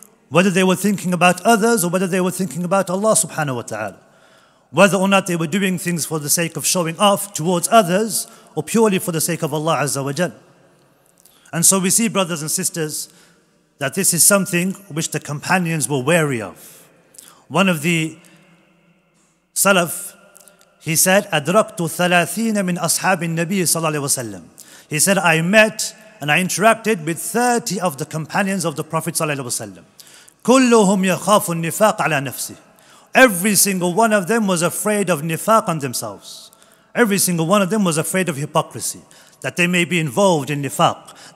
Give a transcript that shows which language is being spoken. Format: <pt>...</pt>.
<en>whether they were thinking about others or whether they were thinking about Allah subhanahu wa ta'ala. Whether or not they were doing things for the sake of showing off towards others or purely for the sake of Allah azza wa jal. And so we see, brothers and sisters, that this is something which the companions were wary of. One of the Salaf, he said,</en> <ar>أَدْرَكْتُ ثَلَاثِينَ مِنْ أَصْحَابِ النَّبِيِّ صَلَى اللَّهِ وَسَلَّمُ.</ar> <en>He said, I met and I interacted with 30 of the companions of the Prophet صلى الله عليه وسلم.</en> <ar>كُلُّهُمْ يَخَافُ النِّفَاقَ عَلَى نَفْسِهِ.</ar> <en>Every single one of them was afraid of nifaq on themselves. Every single one of them was afraid of hypocrisy, that they may be involved in nifaq.</en>